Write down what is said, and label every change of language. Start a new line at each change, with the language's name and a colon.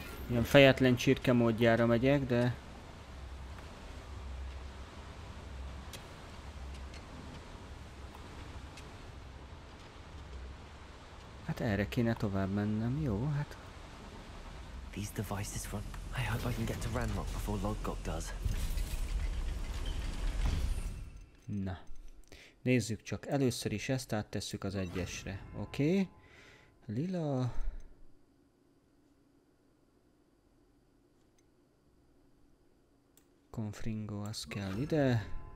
Hungarian: ilyen fejetlen csirke módjára megyek, de... hát erre kéne tovább mennem, jó, hát...
English: These devices run... I hope I can get to Ranrok before Lodgok does.
Hungarian: Na. Nézzük csak, először is ezt áttesszük az egyesre. Oké. Okay. Lila... Konfringo, az kell ide.